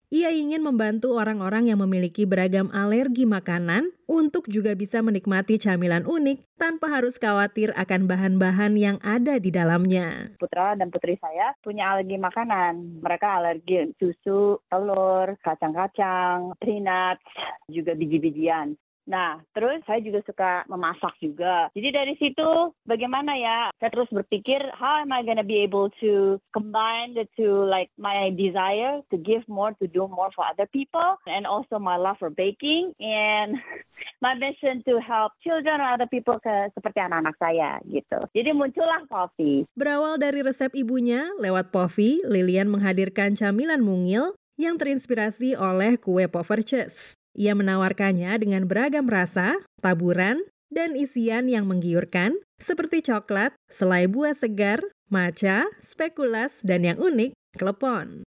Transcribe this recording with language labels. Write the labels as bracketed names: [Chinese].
[Indonesian] Ia ingin membantu orang-orang yang memiliki beragam alergi makanan untuk juga bisa menikmati camilan unik tanpa harus khawatir akan bahan-bahan yang ada di dalamnya. Putra dan putri saya punya alergi makanan. Mereka alergi susu, telur, kacang-kacang, peanuts, juga biji-bijian. Nah, terus saya juga suka memasak juga. Jadi dari situ, bagaimana ya? Saya terus berpikir, [English] how am I gonna be able to combine the two, like my desire to give more, to do more for other people, and also my love for baking, and my mission to help children or other people [Indonesian] seperti anak-anak saya, gitu. Jadi muncullah Puffy. Berawal dari resep ibunya, lewat Puffy, Lilian menghadirkan camilan mungil yang terinspirasi oleh kue Poverches. Ia menawarkannya dengan beragam rasa, taburan, dan isian yang menggiurkan, seperti coklat, selai buah segar, matcha, spekulas, dan yang unik, klepon.